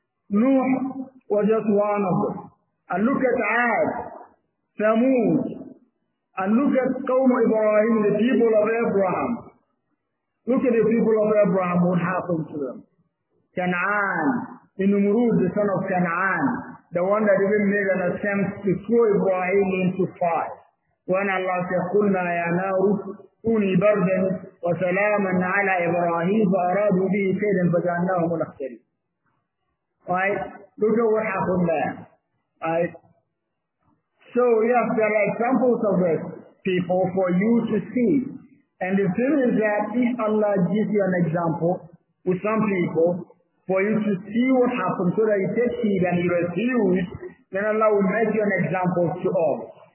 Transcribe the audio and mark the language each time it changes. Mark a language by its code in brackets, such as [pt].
[en] Nuh was just one of them. And look at Ad, Thamud, and look at Qawm Ibrahim, the people of Abraham. Look at the people of Abraham, what happened to them. Canaan, Nimrud, the son of Canaan, the one that even made an attempt to throw Ibrahim into fire. When Allah said, [ar] قُلْنَا يَا نَارُ كُونِي بَرْدًا وَسَلَامًا عَلَى إِبْرَاهِيمَ فَأَرَادُوا بِهِ كَيْدًا فَجَعَلْنَاهُمُ الْأَخْسَرِينَ. [en] Right? Look at what happened there. Right? So, yes, there are examples of this, people, for you to see. And the thing is that if Allah gives you an example with some people for you to see what happens so that you take heed and you refuse, then Allah will make you an example to others.